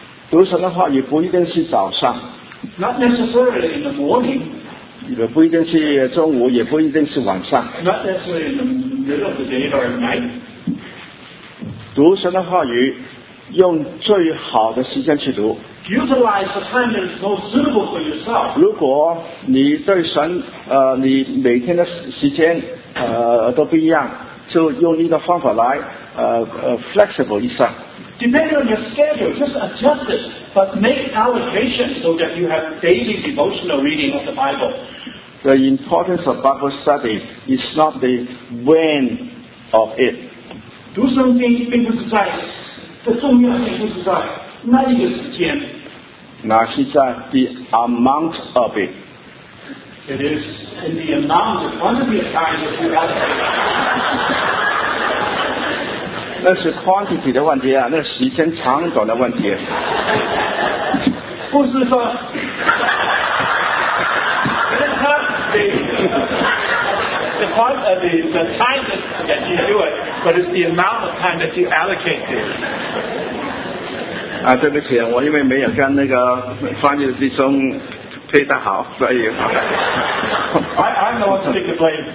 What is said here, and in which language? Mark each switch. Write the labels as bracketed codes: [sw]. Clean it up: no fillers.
[zh] 读神的话语不一定是早上。 [en] Not necessarily in the morning. [zh] 也不一定是中午，也不一定是晚上。 [en] Not necessarily in the middle of the day or at night. [zh] 读神的话语，用最好的时间去读。 [en] Utilize the time that is most suitable for yourself. [zh] 如果你对神，你每天的时间，都不一样，就用一个方法来。 Flexible 一下。 [en] Depending on your schedule, just adjust it, but make allocation so that you have daily devotional reading of the Bible. The importance of Bible study is not the when of it. Do something in the size. [zh] 的重要性不是在那一个时间，那是在 [en] the amount of it. It is in the amount of quantity of time that you have. [zh] 那是 quantity 的问题啊，那时间长短的问题。不是说，是他的 [en] the part of the time that you do it, but it's the amount of time that you allocate to it. [zh] 啊，对不起，我因为没有跟那个翻译的弟兄配得好，所以。 [en] I don't know what to take the blame.